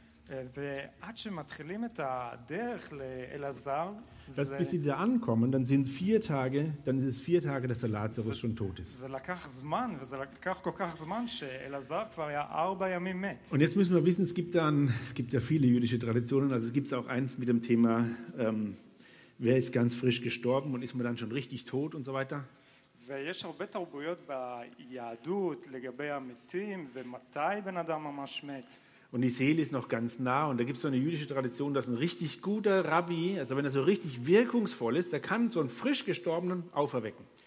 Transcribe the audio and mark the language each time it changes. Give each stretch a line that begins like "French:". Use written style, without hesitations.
German: Dass, bis sie da ankommen, dann sind es 4 Tage, dann ist es 4 Tage, dass der Lazarus schon tot ist. Und jetzt müssen wir wissen, es gibt ja viele jüdische Traditionen, also es gibt auch eins mit dem Thema, wer ist ganz frisch gestorben und ist man dann schon richtig tot und so weiter.
Hebrew: ויש הרבה תרבויות ביהדות לגבי המתים ומתי בן אדם ממש מת.
German: Und die Seele ist noch ganz nah. Und da gibt es so eine jüdische Tradition, dass ein richtig guter Rabbi, also wenn er so richtig wirkungsvoll ist, der kann so einen frisch Gestorbenen auferwecken.